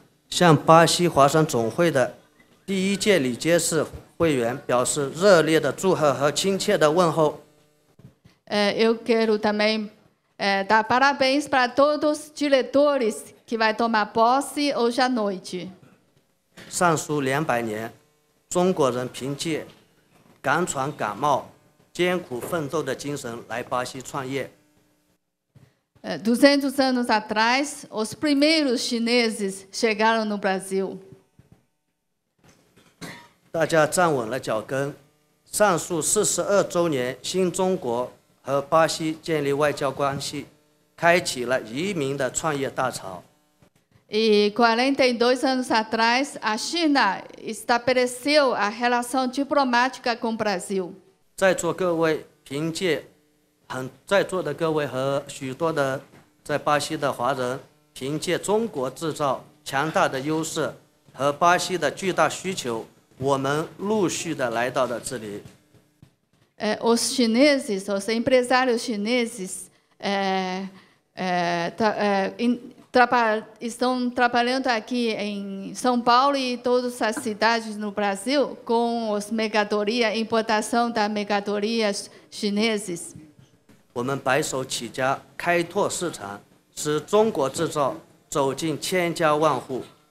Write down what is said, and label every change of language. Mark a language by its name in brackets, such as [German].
[Chinese] 向巴西华山总会的第一届理监事会员表示热烈的祝贺和亲切的问候。 [Portuguese] Eu quero também dar parabéns para todos os diretores. Que vai tomar posse hoje à noite. [Chinese] 上书两百年，中国人凭借敢闯敢冒、艰苦奋斗的精神来巴西创业。 [Portuguese] 200 anos atrás, os primeiros chineses chegaram no Brasil. [Chinese] 大家站稳了脚跟，上书42周年，新中国和巴西建立外交关系，开启了移民的创业大潮。 [Portuguese] E 42 anos atrás, a China estabeleceu a relação diplomática com o Brasil. [Chinese] 在座各位凭借很在座的各位和许多的在巴西的华人，凭借中国制造强大的优势和巴西的巨大需求，我们陆续的来到了这里。 [Portuguese] Os chineses, os empresários chineses, estão trabalhando aqui em São Paulo e todas as cidades no Brasil com as mercadorias, importação das mercadorias chinesas. [Chinese] 我们白手起家，开拓市场，使中国制造走进千家万户。